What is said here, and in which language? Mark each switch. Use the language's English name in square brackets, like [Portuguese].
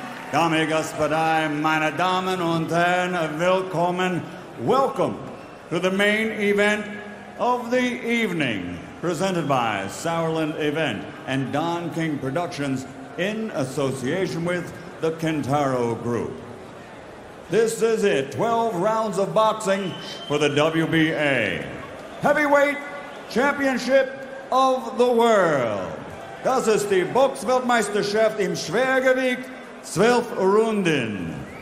[Croatian] Dame, gospodai, [German] meine Damen und Herren, willkommen. [English] Welcome to the main event of the evening, presented by Sauerland Event and Don King Productions in association with the Kentaro Group. This is it, 12 rounds of boxing for the WBA Heavyweight Championship of the World. [German] Das ist die Boxweltmeisterschaft im Schwergewicht, 12 Runden.